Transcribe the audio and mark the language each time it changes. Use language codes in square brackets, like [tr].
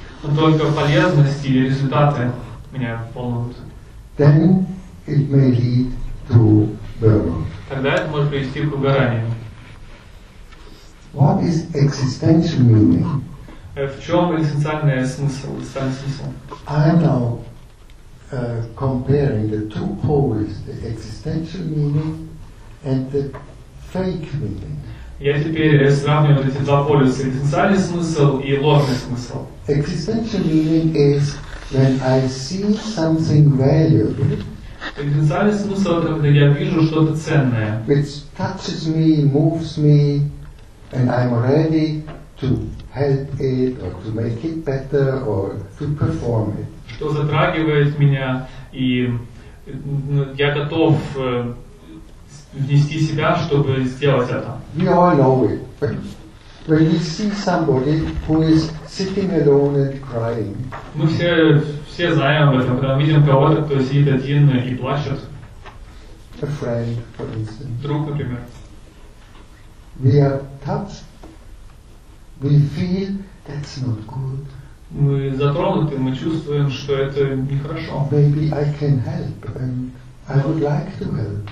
[ru] Но только полезность или результаты меня волнуют. [en] Then it may lead to burnout. [ru] Тогда это может привести к выгоранию. [en] What is existential meaning? [ru] В чем экзистенциальный смысл, смысл? [en] I am now comparing the two poles, the existential meaning and the fake meaning. [ru] Я теперь сравниваю эти два полюса, экзистенциальный смысл и ложный смысл. [en] Existential meaning is when I see something valuable. [ru] Экзистенциальный смысл — это когда я вижу что-то ценное. [en] Which touches me, moves me, and I'm ready to help it, or to make it better, or to perform it. [ru] Что затрагивает меня, и я готов внести себя, чтобы сделать это. [en] We all know it. When you see somebody who is sitting alone and crying. [ru] Мы все знаем об этом, когда мы видим кого-то, кто сидит один и плачет. [en] A friend, for instance. [ru] Друг, например. [en] We are touched. We feel that's not good. [ru] Мы затронуты, мы чувствуем, что это нехорошо. [en] Maybe I can help and I would like to help.